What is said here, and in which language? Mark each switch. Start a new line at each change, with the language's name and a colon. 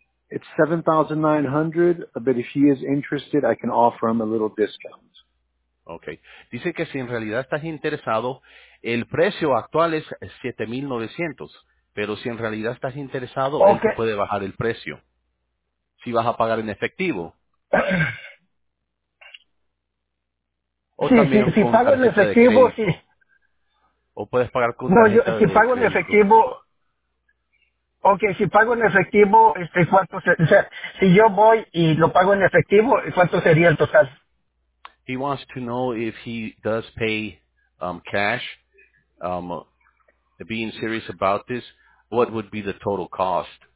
English: It's $7,900, but if he is interested, I can offer him a little discount. Okay.
Spanish: Dice que si en realidad estás interesado, el precio actual es $7,900. Pero si en realidad estás interesado, okay, él te puede bajar el precio. Si vas a pagar en efectivo. O sí, también si pago en efectivo, sí. O puedes pagar con tarjeta. Si pago en efectivo, ¿cuánto sería? O sea, si yo voy y lo pago en efectivo, ¿cuánto sería el total?
English: He wants to know if he does pay cash. Being serious about this, what would be the total cost?